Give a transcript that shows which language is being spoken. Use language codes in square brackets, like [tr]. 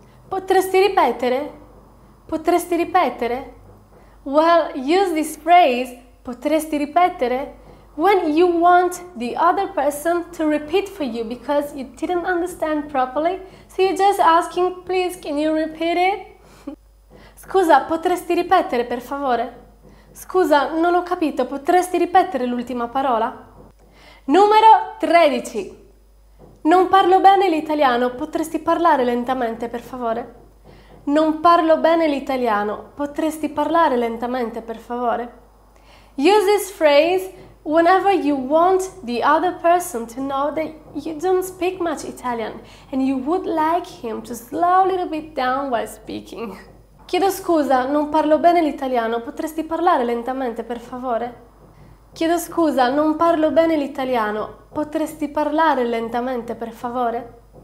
[it] Potresti ripetere? Potresti ripetere? [en] Well, use this phrase, [it] potresti ripetere, [en] when you want the other person to repeat for you because you didn't understand properly, so you're just asking, please, can you repeat it? [it] Scusa, potresti ripetere, per favore? Scusa, non ho capito, potresti ripetere l'ultima parola? Numero 13. Non parlo bene l'italiano, potresti parlare lentamente, per favore? Non parlo bene l'italiano, potresti parlare lentamente, per favore? [en] Use this phrase whenever you want the other person to know that you don't speak much Italian and you would like him to slow a little bit down while speaking. [it] Chiedo scusa, non parlo bene l'italiano, potresti parlare lentamente, per favore? Chiedo scusa, non parlo bene l'italiano, potresti parlare lentamente, per favore?